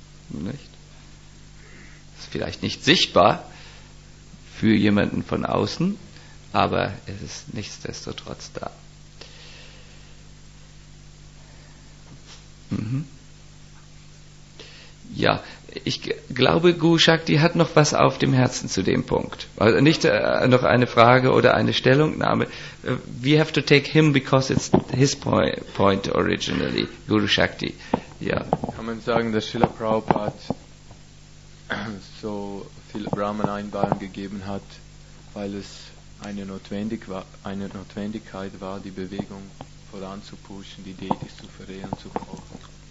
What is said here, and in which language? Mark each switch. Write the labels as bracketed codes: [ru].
[de] Nicht? Das ist vielleicht nicht sichtbar für jemanden von außen, aber es ist nichtsdestotrotz da. Mhm. Ja, ich glaube, Guru Shakti hat noch was auf dem Herzen zu dem Punkt. Also nicht noch eine Frage oder eine Stellungnahme. [en] We have to take him because it's his point originally, Guru Shakti. [de] Ja. Kann man sagen, dass Srila Prabhupada so viel Brahman-Einweihung gegeben hat, weil es eine Notwendigkeit war, die Bewegung voranzupushen, die Deities zu verehren, zu kochen.